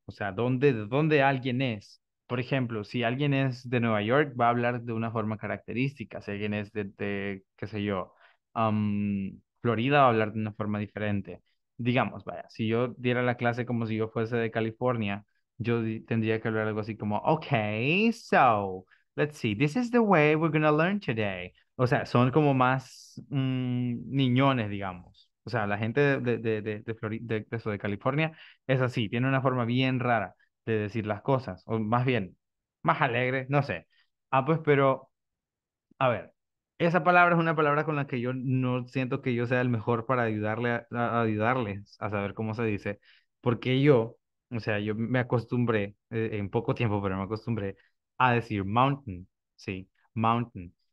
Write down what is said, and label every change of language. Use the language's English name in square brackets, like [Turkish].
[Spanish] O sea, de dónde alguien es. Por ejemplo, si alguien es de Nueva York, va a hablar de una forma característica. Si alguien es de qué sé yo, Florida, va a hablar de una forma diferente. Digamos, vaya, si yo diera la clase como si yo fuese de California, yo tendría que hablar algo así como, okay, so, [English] let's see, this is the way we're going to learn today. [Spanish] O sea, son como más niñones, digamos. O sea, la gente de California es así, tiene una forma bien rara de decir las cosas, o más bien, más alegre, no sé. Ah, pues, pero, a ver, esa palabra es una palabra con la que yo no siento que yo sea el mejor para ayudarles a saber cómo se dice, porque yo, o sea, yo me acostumbré, en poco tiempo, pero me acostumbré a decir mountain, sí, mountain.